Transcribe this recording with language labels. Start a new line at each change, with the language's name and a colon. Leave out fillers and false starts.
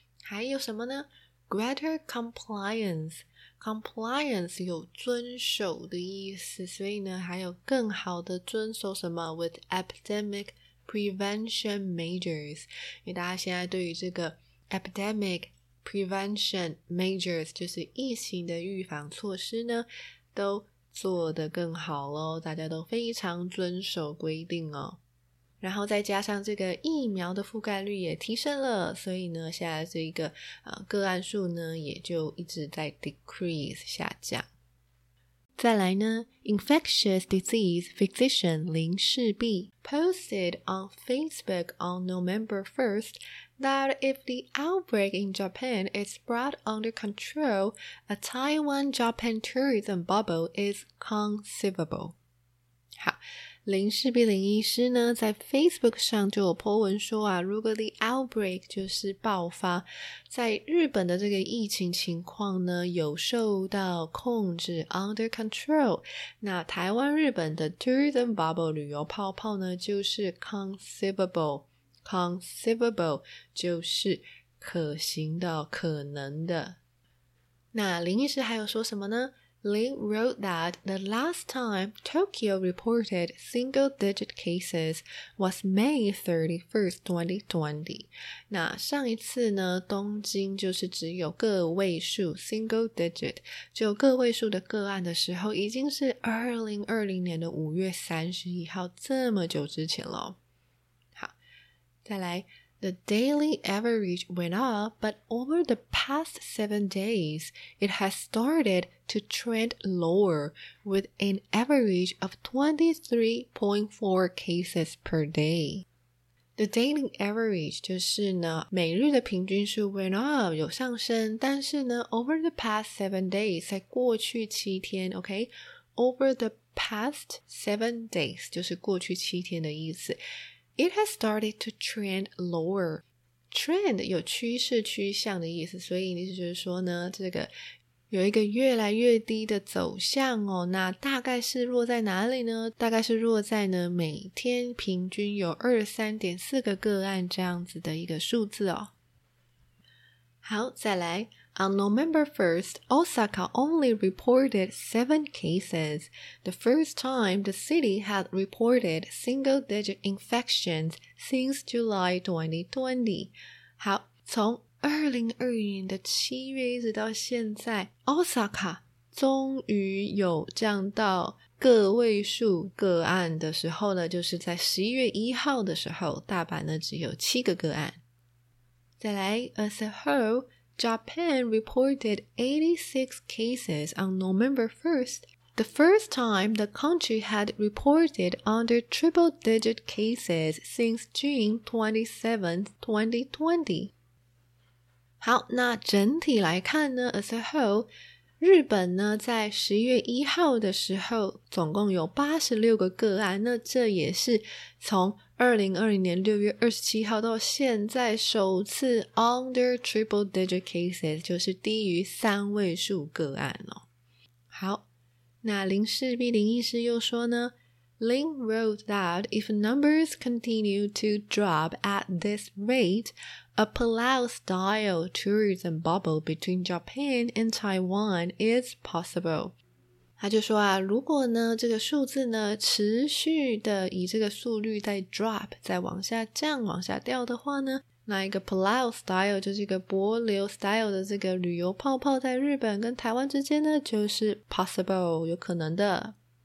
Chinese: 还有什么呢 ?greater compliance 有遵守的意思，所以呢还有更好的遵守什么 ?
English: with epidemic,Prevention measures,
Chinese: 因为大家现在对于这个 epidemic prevention measures, 就是疫情的预防措施呢，都做得更好咯，大家都非常遵守规定哦。然后再加上这个疫苗的覆盖率也提升了，所以呢，现在这个个案数呢，也就一直在 decrease 下降。
English: 再来呢 ,infectious disease physician 林士璧 posted on Facebook on November 1st that if the outbreak in Japan is brought under control, a Taiwan-Japan tourism bubble is conceivable. 好，
Chinese: 林氏璧林医师呢在 Facebook 上就有 po 文说啊，如果 the outbreak 就是爆发，在日本的这个疫情情况呢有受到控制 under control， 那台湾日本的 tourism bubble 旅游泡泡呢就是 conceivable 就是可行的可能的。那林医师还有说什么呢？
English: Lin wrote that the last time Tokyo reported single-digit cases was May 31st, 2020.
Chinese: 那上一次呢，东京就是只有个位数 single-digit， 只有个位数的个案的时候，已经是2020年的5月31号，这么久之前了。好，再来。
English: The daily average went up, but over the past 7 days, it has started to trend lower with an average of 23.4 cases per day.
Chinese: The daily average 就是呢每日的平均数
English: went up
Chinese: 有上升，但是呢
English: over the past 7 days
Chinese: 在过去七天 OK over the past 7 days 就是过去七天的意思。
English: It has started to trend lower.
Chinese: Trend 有趋势趋向的意思，所以意思就是说呢，这个有一个越来越低的走向哦。那大概是落在哪里呢？大概是落在呢每天平均有 23.4 个个案这样子的一个数字哦。好，再来。
English: On November 1st, Osaka only reported 7 cases, the first time the city had reported single-digit infections since July 2020.
Chinese: 好，从2020年的7月一直到现在， Osaka 终于有降到个位数个案的时候呢，就是在11月1号的时候，大阪呢只有7个个案。
English: 再来， as a whole,Japan reported 86 cases on November 1st, the first time the country had reported under triple-digit cases since June 27, 2020.
Chinese: 好，那整体来看呢 ,as a whole, 日本呢在11月1号的时候总共有86个个案，那这也是从2020年6月27号到现在首次
English: under triple digit cases，
Chinese: 就是低于三位数个案哦。好，那林氏璧林医师又说呢，
English: Lin wrote that if numbers continue to drop at this rate, a Palau style tourism bubble between Japan and Taiwan is possible。
Chinese: 他就说啊，如果呢这个数字呢持续的以这个速率在 drop 再往下降往下掉的话呢，那一个 Palau style 就是一个帛琉 style 的这个旅游泡泡在日本跟台湾之间呢就是 possible 有可能的。